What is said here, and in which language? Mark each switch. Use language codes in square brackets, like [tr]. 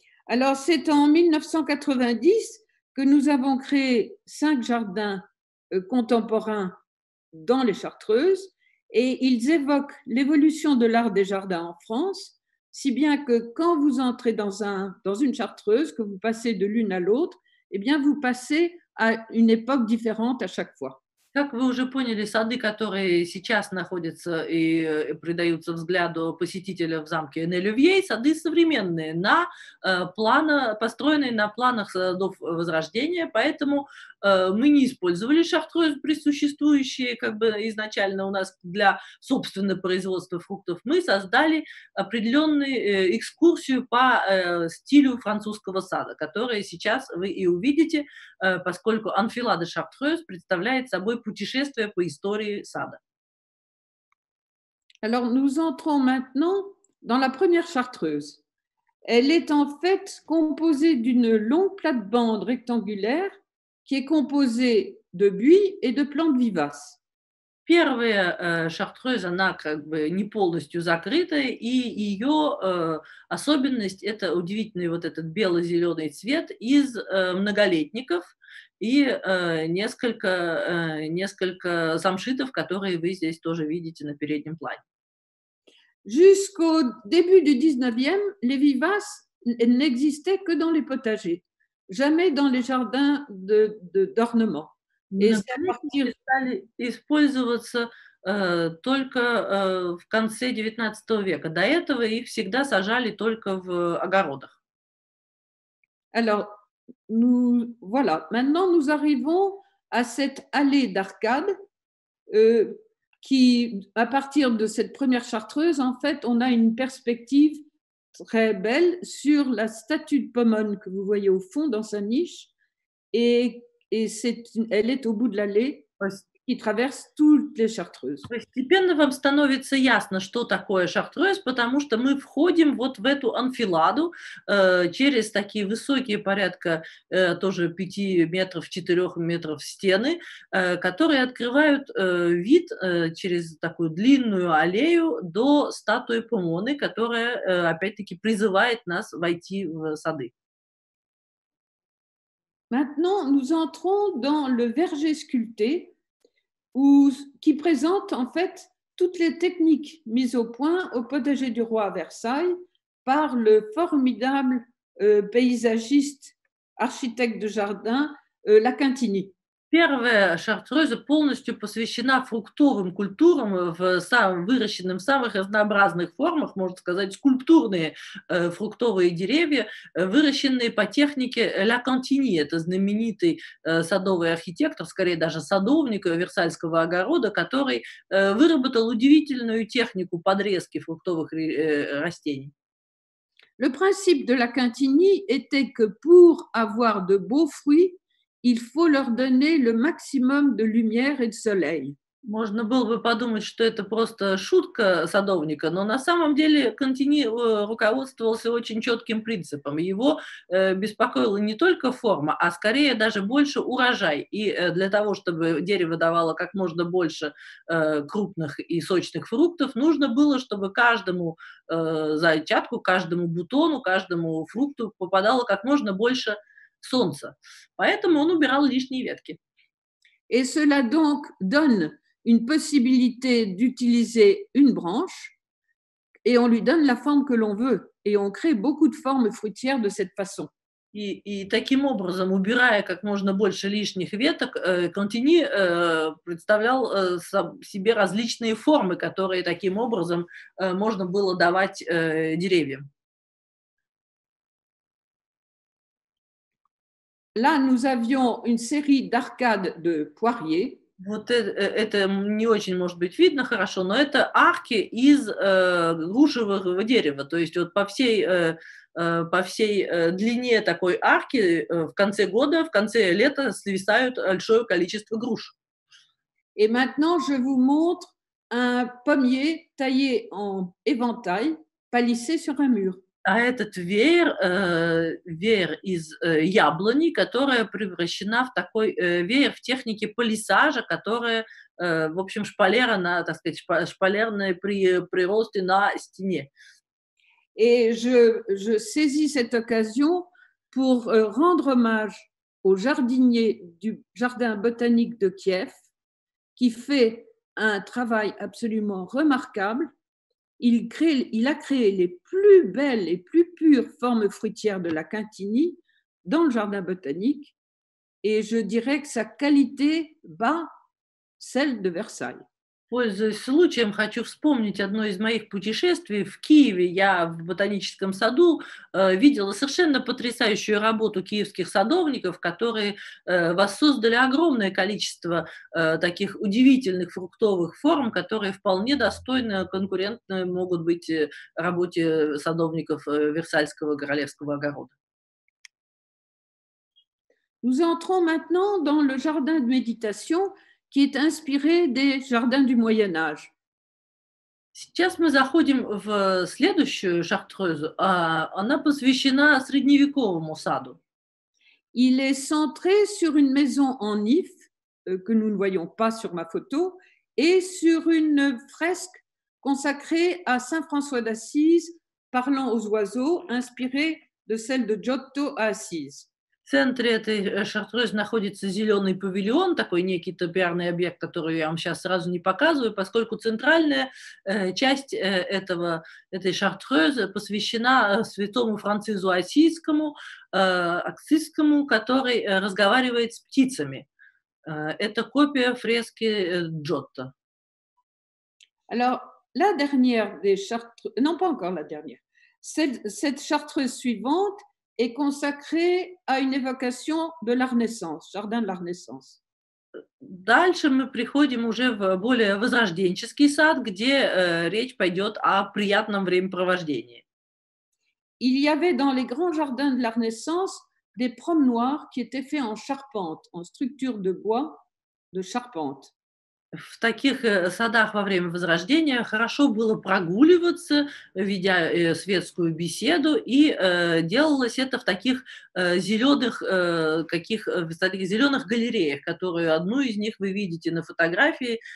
[fr] Alors, c'est en 1990 que nous avons créé 5 jardins contemporains dans les Chartreuses. Et ils évoquent l'évolution de l'art des jardins en France, si bien que quand vous entrez dans une chartreuse, que vous passez de l'une à l'autre, eh bien vous passez à une époque différente à chaque fois. [ru] Как вы уже поняли, сады, которые сейчас находятся и предаются взгляду посетителя в замке Эн-Оливье, сады современные, построенные на планах садов Возрождения, поэтому мы не использовали шартрёз, присуществующие как бы изначально у нас для собственного производства фруктов. Мы создали определенную экскурсию по стилю французского сада, который сейчас вы и увидите, поскольку анфилада шартрёз представляет собой путешествие по истории сада. [fr] Alors, nous entrons maintenant dans la première chartreuse. Elle est en fait composée d'une longue plate-bande rectangulaire qui est composée de buis et de plantes vivaces. [ru] Первая шартрёз, она как бы не полностью закрыта, и ее особенность – это удивительный вот этот бело-зеленый цвет из многолетников и несколько самшитов, которые вы здесь тоже видите на переднем плане. [fr] Jusqu'au début du 19e, les vivaces n'existaient que dans les potagers, jamais dans les jardins d'ornement. [ru] Стали использоваться только в конце 19 века. До этого их всегда сажали только в огородах. [fr] Alors, voilà. Maintenant, nous arrivons à cette allée d'arcade qui, à partir de cette première chartreuse, en fait, on a une perspective très belle sur la statue de Pomone que vous voyez au fond dans sa niche et elle est au bout de l'allée qui traverse toutes les chartreuses. [ru] Постепенно вам становится ясно, что такое шартрёз, потому что мы входим вот в эту анфиладу через такие высокие порядка тоже 5 метров, 4 метров стены, которые открывают вид через такую длинную аллею до статуи Помоны, которая опять-таки призывает нас войти в сады. [fr] Maintenant, nous entrons dans le verger sculpté, qui présente en fait toutes les techniques mises au point au potager du roi à Versailles par le formidable paysagiste, architecte de jardin, Lacantini. [ru] Первая Шартреза полностью посвящена фруктовым культурам, выращенным в самых разнообразных формах, можно сказать, скульптурные фруктовые деревья, выращенные по технике Ля Кантини. Это знаменитый садовый архитектор, скорее даже садовник Версальского огорода, который выработал удивительную технику подрезки фруктовых растений. [fr] Le principe de la Кантини était que pour avoir de beaux fruits, il faut leur donner le maximum de lumière et de soleil. [ru] Можно было бы подумать, что это просто шутка садовника, но на самом деле Кантини руководствовался очень четким принципом. Его беспокоила не только форма, а скорее даже больше урожай. И для того, чтобы дерево давало как можно больше крупных и сочных фруктов, нужно было, чтобы каждому зачатку, каждому бутону, каждому фрукту попадало как можно больше солнца. Поэтому он убирал лишние ветки. [fr] Et cela donc donne une possibilité d'utiliser une branche et on lui donne la forme que l'on veut et on crée beaucoup de formes fruitières de cette façon. [ru] И таким образом, убирая как можно больше лишних веток, Кантини представлял себе различные формы, которые таким образом можно было давать деревьям. [fr] Là, nous avions une série d'arcades de poiriers. [ru] Вот это не очень может быть видно хорошо, но это арки из грушевого дерева. То есть вот по всей длине такой арки в конце года, в конце лета свисают большое количество груш. [fr] Et maintenant, je vous montre un pommier taillé en éventail, palissé sur un mur. [ru] А этот веер из яблони, которая превращена в такой веер в технике палисажа, которая, в общем, шпалерна, так сказать, шпалерная при приросте на стене. [fr] Et je saisis cette occasion pour rendre hommage au jardinier du jardin botanique de Kiev, qui fait un travail absolument remarquable. Il a créé les plus belles et plus pures formes fruitières de la Quintini dans le jardin botanique et je dirais que sa qualité bat celle de Versailles. [ru] Пользуясь случаем, хочу вспомнить одно из моих путешествий в Киеве. Я в ботаническом саду видела совершенно потрясающую работу киевских садовников, которые воссоздали огромное количество таких удивительных фруктовых форм, которые вполне достойны конкурентной могут быть работе садовников Версальского королевского огорода. [fr] Nous entrons maintenant dans le jardin de méditation, qui est inspiré des jardins du Moyen Âge. [ru] Сейчас мы заходим в следующую Шартрезу. Она посвящена средневековому саду. [fr] Il est centré sur une maison en if que nous ne voyons pas sur ma photo et sur une fresque consacrée à Saint François d'Assise parlant aux oiseaux, inspirée de celle de Giotto à Assise. [ru] В центре этой Шартрезы находится зеленый павильон, такой некий топиарный объект, который я вам сейчас сразу не показываю, поскольку центральная часть этой Шартрезы посвящена святому Франциску Ассизскому, который разговаривает с птицами. Это копия фрески Джотто. [fr] Alors, la dernière des Chartreuses, non pas encore la dernière, cette Chartreuse suivante est consacré à une évocation de la Renaissance, jardin de la Renaissance. [ru] Дальше мы приходим уже в более возрожденческий сад, где речь пойдет о приятном времяпровождении. [fr] Il y avait dans les grands jardins de la Renaissance des promenoirs qui étaient faits en charpente, en structure de bois de charpente. [ru] В таких садах во время Возрождения хорошо было прогуливаться, ведя светскую беседу, и делалось это в таких зеленых галереях, которую одну из них вы видите на фотографии.